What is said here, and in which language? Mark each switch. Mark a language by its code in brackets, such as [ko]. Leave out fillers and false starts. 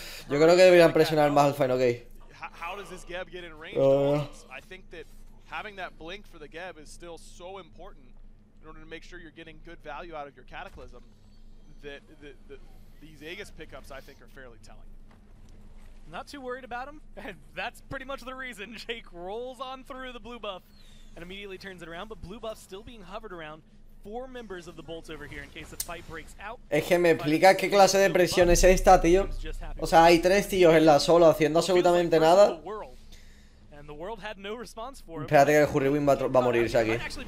[es] Yo creo que deberían presionar más al Fine OK. [en] How does this Geb get in range? I think that having that blink for the Geb is still so important in order to make sure you're getting good value out of your Cataclysm that these Aegis pickups, I think, are fairly telling. Not too worried about him. That's pretty much the reason Jake rolls on through the blue buff and immediately turns it around, but blue buff still being hovered around. Four members of the Bolts over here in case the fight breaks out. [es] Es que me explicas qué clase de presión es esta, tío. O sea, hay tres tíos en la solo haciendo absolutamente nada. Espérate que el Hurriwind va a morirse aquí.